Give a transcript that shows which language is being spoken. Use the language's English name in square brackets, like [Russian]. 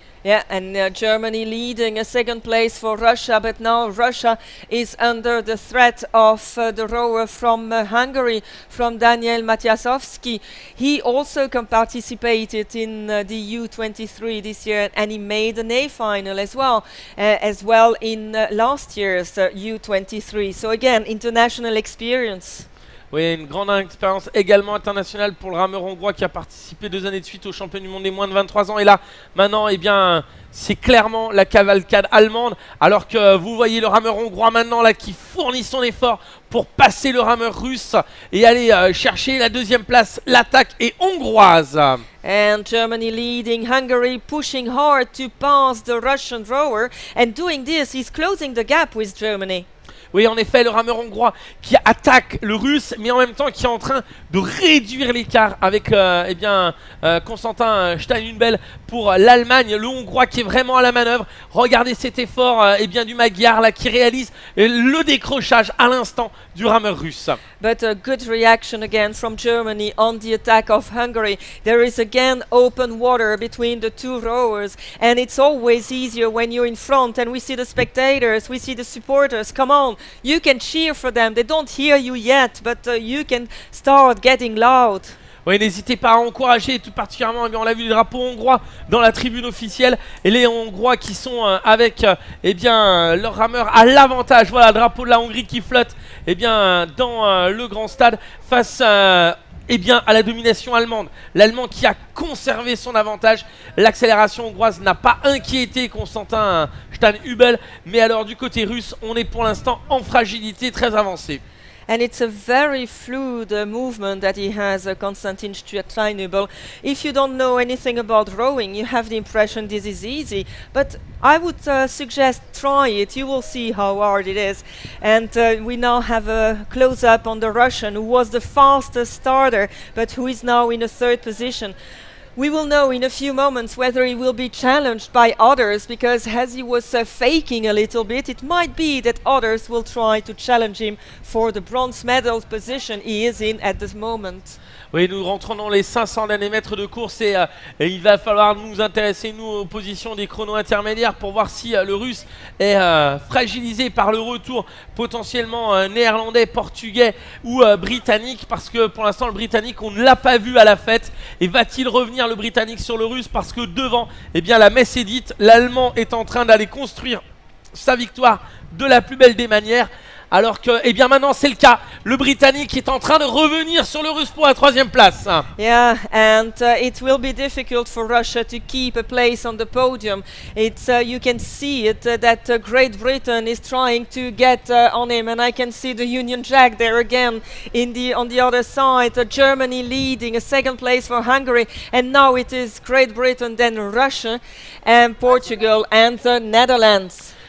[English] Yeah, and Germany leading a second place for Russia, but now Russia is under the threat of the rower from Hungary, from Daniel Matyasovsky. He also participated in the U23 this year, and he made an A final as well in last year's U23. So again, international experience. [French] Oui, une grande expérience également internationale pour le rameur hongrois qui a participé 2 années de suite au championnat du monde des moins de 23 ans. Et là, maintenant, eh bien, c'est clairement la cavalcade allemande. Alors que vous voyez le rameur hongrois maintenant là, qui fournit son effort pour passer le rameur russe et aller chercher la deuxième place. L'attaque est hongroise. [English] And Germany leading, Hungary pushing hard to pass the Russian rower. And doing this, he's closing the gap with Germany. [French] Oui, en effet, le rameur hongrois qui attaque le russe, mais en même temps qui est en train de réduire l'écart avec Konstantin Steinhübel pour l'Allemagne. Le hongrois qui est vraiment à la manœuvre. Regardez cet effort du Magyar là, qui réalise le décrochage à l'instant du rameur russe. [English] But a good reaction again from Germany on the attack of Hungary. There is again open water between the two rowers, and it's always easier when you're in front. And we see the spectators, we see the supporters. Come on, you can cheer for them. They don't hear you yet, but you can start getting loud. [French] Oui, n'hésitez pas à encourager, tout particulièrement, on l'a vu, le drapeau hongrois dans la tribune officielle. Et les Hongrois qui sont avec leur rameur à l'avantage. Voilà, le drapeau de la Hongrie qui flotte dans le grand stade face à la domination allemande. L'Allemand qui a conservé son avantage. L'accélération hongroise n'a pas inquiété Konstantin Steinhübel. Mais alors, du côté russe, on est pour l'instant en fragilité très avancée. [English] And it's a very fluid movement that he has, Konstantin Steinhübel. If you don't know anything about rowing, you have the impression this is easy. But I would suggest try it. You will see how hard it is. And we now have a close-up on the Russian, who was the fastest starter, but who is now in a third position. We will know in a few moments whether he will be challenged by others, because as he was faking a little bit, it might be that others will try to challenge him for the bronze medal position he is in at this moment. [French] Oui, nous rentrons dans les 500 derniers mètres de course et il va falloir nous intéresser, nous, aux positions des chronos intermédiaires pour voir si le Russe est fragilisé par le retour potentiellement néerlandais, portugais ou britannique, parce que pour l'instant, le britannique, on ne l'a pas vu à la fête. Et va-t-il revenir, le britannique, sur le Russe? Parce que devant, eh bien, la messe est dite, l'allemand est en train d'aller construire sa victoire de la plus belle des manières. Alors que, eh bien maintenant c'est le cas, le Britannique est en train de revenir sur le Russe pour la troisième place. [English] Yeah, and it will be difficult for Russia to keep a place on the podium. It's, you can see it, that Great Britain is trying to get on him, and I can see the Union Jack there again in the, on the other side, Germany leading, a second place for Hungary, and now it is Great Britain, then Russia, and Portugal, and the Netherlands.